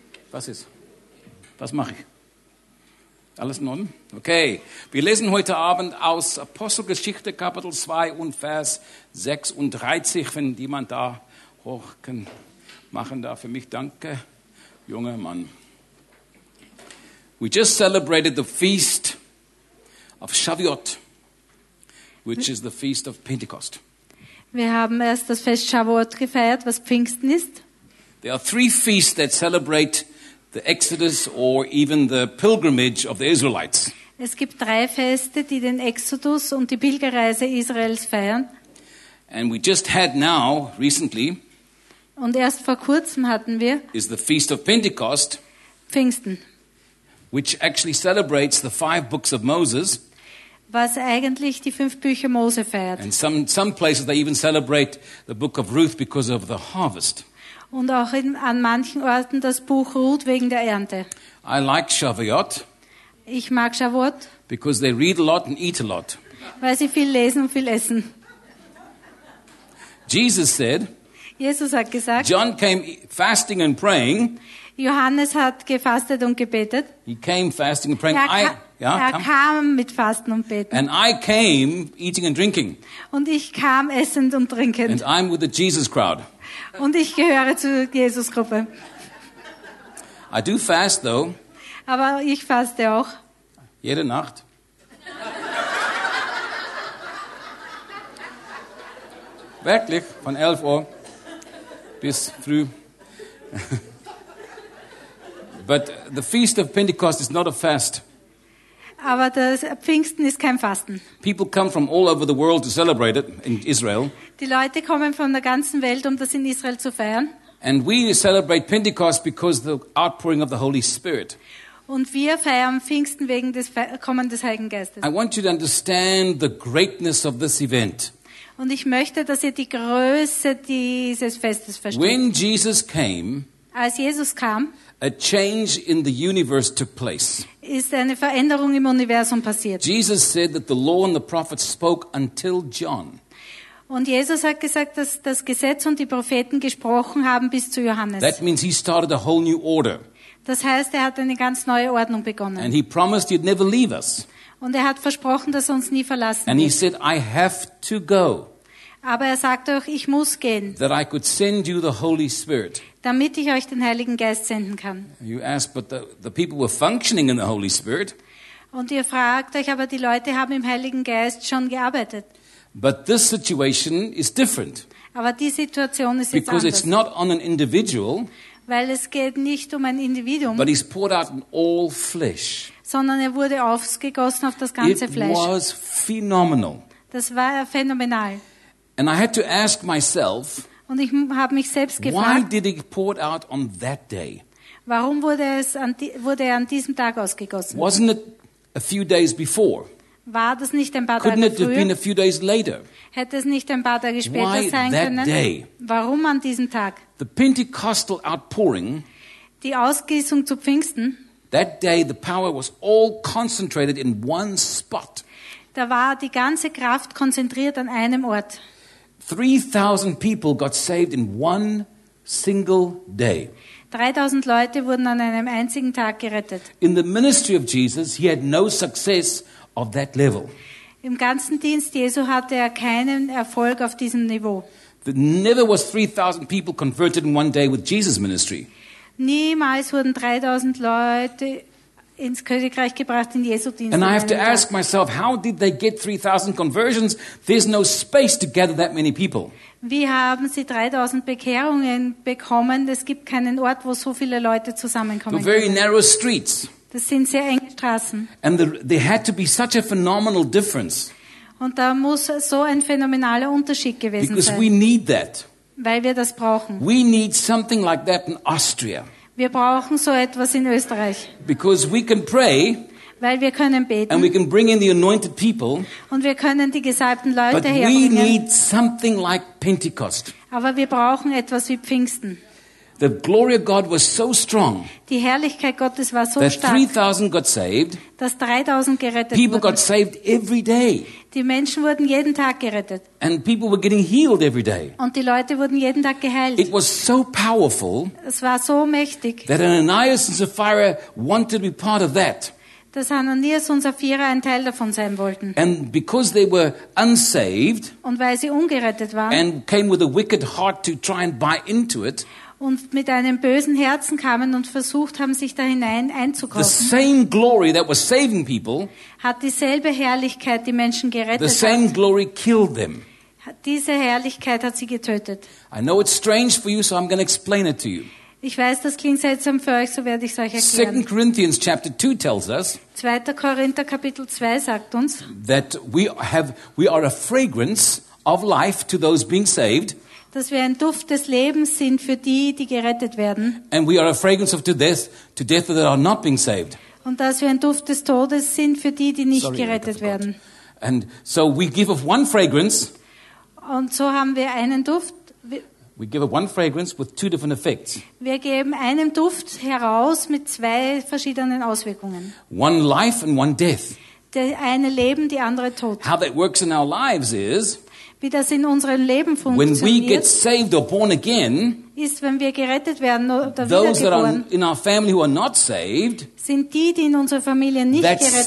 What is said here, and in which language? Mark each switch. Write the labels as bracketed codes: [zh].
[de] Was ist? Was mache ich? Alles nun? Okay, wir lesen heute Abend aus Apostelgeschichte Kapitel 2 und Vers 36, wenn jemand da hoch kann, machen darf für mich. Danke, junger Mann. [en] We just celebrated the feast of Shavuot, which is the feast of Pentecost. [de] Wir haben erst das Fest Shavuot gefeiert, was Pfingsten ist. [en] There are three feasts that celebrate the Exodus or even the pilgrimage of the Israelites. [de] Es gibt drei Feste, die den Exodus und die Pilgerreise Israels feiern. [en] And we just had now recently. [de] Und erst vor kurzem hatten wir. [en] Is the Feast of Pentecost. [de] Pfingsten. [en] Which actually celebrates the five books of Moses. [de] Was eigentlich die fünf Bücher Mose feiert. [en] And some places they even celebrate the book of Ruth because of the harvest. [de] Und auch an manchen Orten das Buch Ruth wegen der Ernte. [en] I like Shavuot. [de] Ich mag Shavuot. [en] Because they read a lot and eat a lot. [de] Weil sie viel lesen und viel essen. [en] Jesus said. [de] Jesus hat gesagt. [en] John came fasting and praying. [de] Johannes hat gefastet und gebetet. [en] He came fasting and praying. [de] Er kam mit Fasten und Beten. [en] And I came eating and drinking. [de] Und ich kam essend und trinkend. [en] And I'm with the Jesus crowd. [de] Und ich gehöre zur Jesus-Gruppe. [en] I do fast, though. [de] Aber ich faste auch. Jede Nacht. Wirklich, von 11 Uhr bis früh. [en] But the Feast of Pentecost is not a fast. [de] Aber das Pfingsten ist kein Fasten. [en] People come from all over the world to celebrate it in Israel. [de] Die Leute kommen von der ganzen Welt, um das in Israel zu feiern. [en] And we celebrate Pentecost because the outpouring of the Holy Spirit. [de] Und wir feiern Pfingsten wegen des Kommen des Heiligen Geistes. [en] I want you to understand the greatness of this event. [de] Und ich möchte, dass ihr die Größe dieses Festes versteht. [en] When Jesus came, [de] als Jesus kam, [en] a change in the universe took place. [de] Ist eine Veränderung im Universum passiert. [en] Jesus said that the law and the prophets spoke until John. [de] Und Jesus hat gesagt, dass das Gesetz und die Propheten gesprochen haben bis zu Johannes. [en] That means he started a whole new order. [de] Das heißt, er hat eine ganz neue Ordnung begonnen. [en] And he promised he'd never leave us. [de] Und er hat versprochen, dass er uns nie verlassen [en] and [de] wird. [en] And he said, I have to go. [de] Aber er sagte auch, ich muss gehen. [en] That I could send you the Holy Spirit. [de] Damit ich euch den Heiligen Geist senden kann. [en] You ask, but the people were functioning in the Holy Spirit. [de] Und ihr fragt euch, aber die Leute haben im Heiligen Geist schon gearbeitet. [en] But this situation is different. [de] Aber die Situation ist jetzt anders. [en] Because it's not on an individual. [de] Weil es geht nicht um ein Individuum. [en] But he's poured out on all flesh. [de] Sondern er wurde ausgegossen auf das ganze Fleisch. [en] It was phenomenal. [de] Das war phänomenal. [en] And I had to ask myself. [de] Und ich habe mich selbst gefragt. [en] Why did he pour it out on that day? [de] Warum wurde er an diesem Tag ausgegossen? [en] Wasn't it a few days before? [de] War das nicht ein paar Tage [en] Couldn't it [de] früher? [en] Have been a few days later? [de] Hätte es nicht ein paar Tage später [en] Why [de] sein [en] that [de] können? [en] Day? [de] Warum an diesem Tag? [en] The Pentecostal outpouring. [de] Die Ausgießung zu Pfingsten. [en] That day the power was all concentrated in one spot. [de] Da war die ganze Kraft konzentriert an einem Ort. [en] 3,000 people got saved in one single day. [de] 3,000 Leute wurden an einem einzigen Tag gerettet. [en] In the ministry of Jesus, he had no success of that level. [de] Im ganzen Dienst Jesu hatte er keinen Erfolg auf diesem Niveau. [en] Never was 3,000 people converted in one day with Jesus' ministry. [de] Niemals wurden 3,000 Leute ins Königreich gebracht in Jesu Dienst. [en] And I have to ask myself, how did they get 3,000 conversions? There's no space to gather that many people. [de] Wie haben sie 3,000 Bekehrungen bekommen? Es gibt keinen Ort, wo so viele Leute zusammenkommen. [en] The very narrow streets. [de] Das sind sehr enge Straßen. [en] And there had to be such a phenomenal difference. [de] Und da muss so ein phänomenaler Unterschied gewesen sein. [en] Because we need that. [de] Weil wir das brauchen. [en] We need something like that in Austria. [de] Wir brauchen so etwas in Österreich. [en] Because we can pray, [de] Weil wir können beten. [en] And we can bring in the anointed people. [de] Und wir können die gesalbten Leute [en] but [de] herbringen. [en] We need something like Pentecost. [de] Aber wir brauchen etwas wie Pfingsten. [en] The glory of God was so strong. [de] Die Herrlichkeit Gottes war so [en] that [de] stark. [en] 3,000 got saved. [de] Dass 3,000 gerettet [en] people [de] wurden. [en] Got saved every day. [de] Die Menschen wurden jeden Tag gerettet. [en] And people were getting healed every day. [de] Und die Leute wurden jeden Tag geheilt. [en] It was so powerful. [de] Es war so mächtig. [en] That Ananias and Sapphira wanted to be part of that. [de] Dass Ananias und Sapphira ein Teil davon sein wollten. [en] And because they were unsaved. [de] Und weil sie ungerettet waren. [en] And came with a wicked heart to try and buy into it. [de] Und mit einem bösen Herzen kamen und versucht haben, sich da hinein einzukaufen. [en] The same glory that was saving people, [de] hat dieselbe Herrlichkeit die Menschen gerettet. [en] The same glory killed them. [de] Diese Herrlichkeit hat sie getötet. [en] I know it's strange for you, so I'm going to explain it to you. [de] Ich weiß, das klingt seltsam für euch, so werde ich es euch erklären. [en] 2 Corinthians chapter 2 tells us, [de] 2. Korinther Kapitel 2 sagt uns, [en] that we are a fragrance of life to those being saved. [de] Dass wir ein Duft des Lebens sind für die, die gerettet werden. [en] And we are a fragrance of to death that are not being saved. [de] Und dass wir ein Duft des Todes sind für die, die nicht gerettet werden. [en] And so we give of one fragrance. [de] Und so haben wir einen Duft. [en] We give of one fragrance with two different effects. [de] Wir geben einen Duft heraus mit zwei verschiedenen Auswirkungen. [en] One life and one death. [de] Der eine Leben, die andere Tod. [en] How that works in our lives is. [de] Wie das in unserem Leben funktioniert, [en] when we get saved or born again, [de] ist, wenn wir gerettet werden oder wiedergeboren, [en] those that are in our family who are not saved, [de] sind die, die in unserer Familie nicht gerettet sind,